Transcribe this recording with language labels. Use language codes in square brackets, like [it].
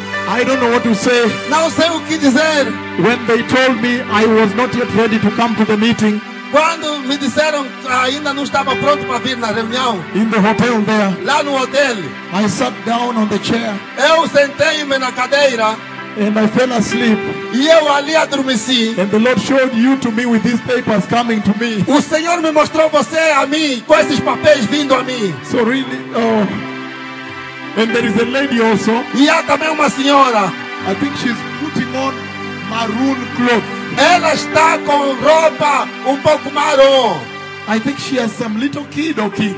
[en] I don't know what to say. [pt] Não sei o que dizer. [en] When they told me I was not yet ready to come to the meeting. [pt] Quando me disseram ainda não estava pronto para vir na reunião. [en] In the hotel there. [pt] Lá no hotel. [en] I sat down on the chair. [pt] Eu sentei-me na cadeira. [en] And I fell asleep. [pt] E eu ali adormeci. [en] And the Lord showed you to me with these papers coming to me. [pt] O Senhor me mostrou você a mim com esses papéis vindo a mim. [en] So really, and there is a lady also. [pt] E há também uma senhora. [en] I think she's putting on maroon clothes. [pt] Ela está com roupa pouco marrom. [en] I think she has some little kid or kids.